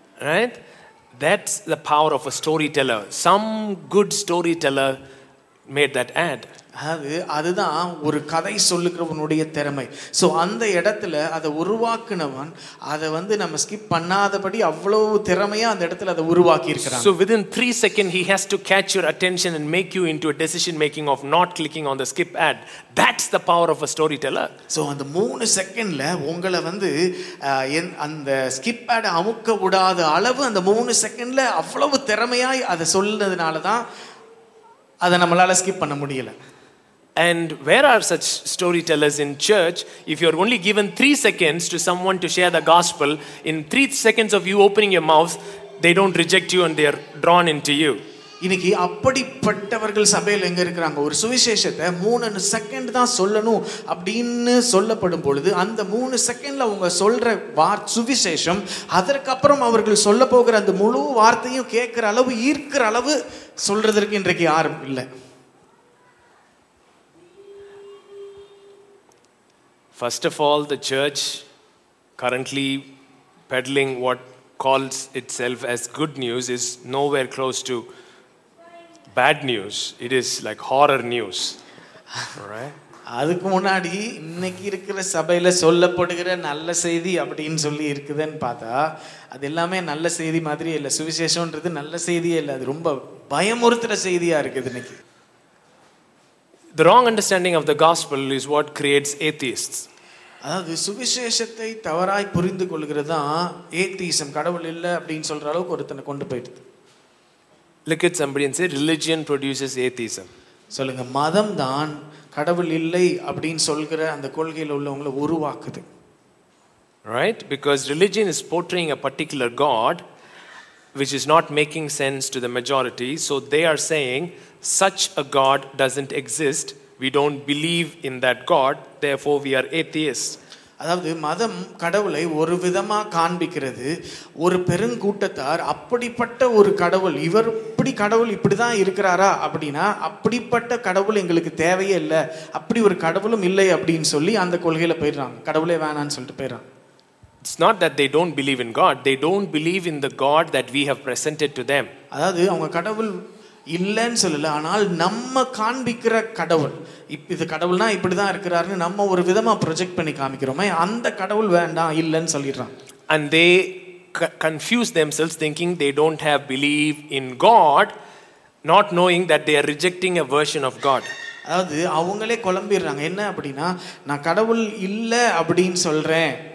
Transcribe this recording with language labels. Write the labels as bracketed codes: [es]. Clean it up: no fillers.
[en] Right? That's the power of a storyteller. Some good storyteller made that ad. [ta] அதுதான் ஒரு கதை சொல்லுகிறவனுடைய திறமை. So அந்த இடத்துல அதை உருவாக்குனவன் அதை வந்து நம்ம ஸ்கிப் பண்ணாதபடி அவ்வளவு திறமையா அந்த இடத்துல அதை உருவாக்கியிருக்கான். [en] So within 3 seconds he has to catch your attention and make you into a decision making of not clicking on the skip ad. That's the power of a storyteller. [ta] So அந்த 3 செகண்ட்ல உங்களை வந்து அந்த ஸ்கிப் ஆட அமுக்க விடாத அளவு அந்த 3 செகண்ட்ல அவ்வளவு திறமையாய் அதை சொல்றதுனாலதான் அதை நம்மளால ஸ்கிப் பண்ண முடியல. [en] And where are such storytellers in church? If you are only given 3 seconds to someone to share the gospel, in 3 seconds of you opening your mouth, they don't reject you and they are drawn into you. [ta] இனிக்கு அப்படிப்பட்டவர்கள் சபையில் எங்க இருக்கறாங்க? ஒரு சுவிசேஷத்தை 3 second தான் சொல்லணும் அப்படின்னு சொல்லப்படும் பொழுது அந்த 3 செகண்ட்ல அவங்க சொல்ற சுவிசேஷம் அதற்கப்புறம் அவர்கள் சொல்ல போகிற அந்த முழு வார்த்தையும் கேட்கிற அளவு ஈர்க்கிற அளவு சொல்றதற்கு இன்றைக்கு யாரும் இல்லை. [en] First of all, the church currently peddling what calls itself as good news is nowhere close to bad news. It is like horror news, right? [ta] அதுக்கு முன்னாடி இன்னைக்கு இருக்கிற சபையில சொல்லப்படுகிற நல்ல செய்தி அப்படின்னு சொல்லி இருக்குதுன்னு பார்த்தா அது எல்லாமே நல்ல செய்தி மாதிரியே இல்லை. சுவிசேஷம்ன்றது நல்ல செய்தியே இல்லை, அது ரொம்ப பயமுறுத்துற செய்தியா இருக்குது இன்னைக்கு. [en] The wrong understanding of the gospel is what creates atheists. [ta] அதாவது சுவிசேஷத்தை தவறாய் புரிந்து கொள்கிறதா ஏதீசம், கடவுள் இல்லை அப்படின்னு சொல்ற அளவுக்கு ஒருத்தனை கொண்டு போயிடுது. [en] look at somebody and say religion produces atheism. [ta] சொல்லுங்க மதம் தான் கடவுள் இல்லை அப்படின்னு சொல்கிற அந்த கொள்கையில் உள்ளவங்களை உருவாக்குது. [en] Right? Because religion is portraying a particular God which is not making sense to the majority. So they are saying such a God doesn't exist. We don't believe in that God. Therefore, we are atheists. [ta] அதாவது மதம் கடவுளை ஒரு விதமாக காண்பிக்கிறது. ஒரு பெருங்கூட்டத்தார் அப்படிப்பட்ட ஒரு கடவுள், இவர் இப்படி கடவுள் இப்படி தான் இருக்கிறாரா அப்படின்னா அப்படிப்பட்ட கடவுள் எங்களுக்கு தேவையே இல்லை, அப்படி ஒரு கடவுளும் இல்லை அப்படின்னு சொல்லி அந்த கொள்கையில் போயிடுறாங்க. கடவுளே வேணான்னு சொல்லிட்டு போயிடுறாங்க. [en] It's not that they don't believe in God. They don't believe in the God that we have presented to them. [ta] அதாவது அவங்க கடவுள் இல்லைன்னு சொல்லல, ஆனால் நம்ம காண்பிக்கிற கடவுள் இது கடவுள்னா இப்படிதான் இருக்கிறாருன்னு நம்ம ஒரு விதமா ப்ரொஜெக்ட் பண்ணி காமிக்கிறோமே அந்த கடவுள் வேண்டாம் இல்லைன்னு சொல்லிடுறான். [en] And they confuse themselves thinking they don't have belief in God, not knowing that they are rejecting a version of God. [ta] அதாவது அவங்களே குழம்பிடுறாங்க. என்ன அப்படின்னா, நான் கடவுள் இல்லை அப்படின்னு சொல்றேன்,